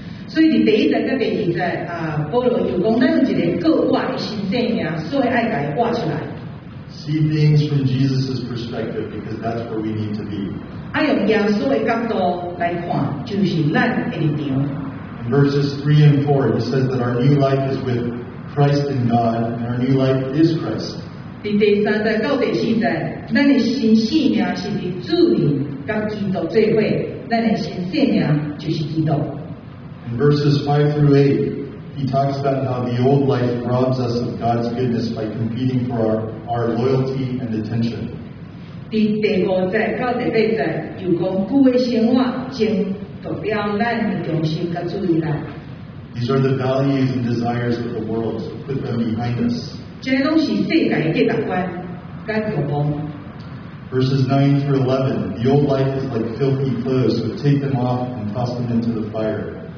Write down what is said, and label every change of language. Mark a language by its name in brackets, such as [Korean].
[English] So in the first and second verse, Paul says we have a new resurrection life, so we should live it out. See things from Jesus' perspective, because that's where we need to be. From Jesus' perspective, that's where we need to be. In verses 3 and 4, he says that our new life is with Christ and God, and our new life is Christ. [Min Nan Chinese] 在第三节到第四节，咱的新生命是伫主里甲基督做伙，咱的新生命就是基督。 [English] In verses 5 through 8, he talks about how the old life robs us of God's goodness by competing for our loyalty and attention. [Min Nan Chinese] 在第五节到第八节，又讲旧的生活争夺了咱的重心甲注意力。 [English] These are the values and desires of the world, so put them behind us. Verses 9 through 11, the old life is like filthy clothes, so take them off and toss them into the fire.